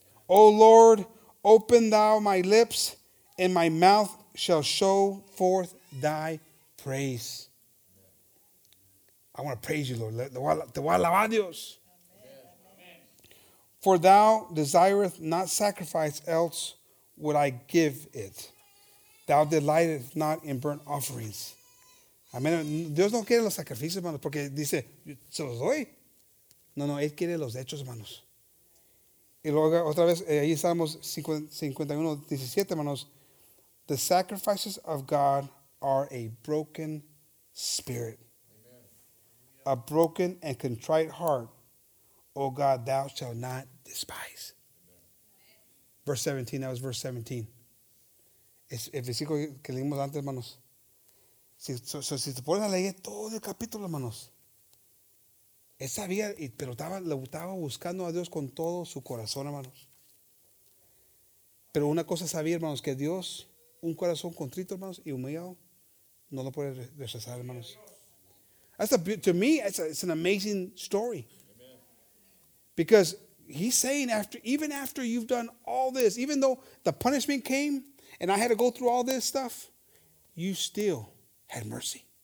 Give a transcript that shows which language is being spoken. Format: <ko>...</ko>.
<en>O Lord, open thou my lips, and my mouth shall show forth thy praise. I want to praise you, Lord.</en> <es>Te voy a alabar, Dios.</es> <en>For thou desireth not sacrifice, else would I give it. Thou delightest not in burnt offerings. Amen.</en> <es>Dios no quiere los sacrificios, hermanos, porque dice, se los doy. No, no, Él quiere los hechos, hermanos. Y luego, otra vez, ahí estamos, 51:17, hermanos.</es> <en>The sacrifices of God are a broken spirit. A broken and contrite heart, O God, thou shalt not despise. Verse 17, that was verse 17.</en> <es>El versículo que leímos antes, hermanos. Si te pones a leer todo el capítulo, hermanos. Él sabía, pero estaba buscando a Dios con todo su corazón, hermanos. Pero una cosa sabía, hermanos, que Dios, un corazón contrito, hermanos, y humillado, no lo puede rechazar, hermanos.</es> <en>It's an amazing story. Because he's saying, even after you've done all this, even though the punishment came and I had to go through all this stuff, you still had mercy.</en>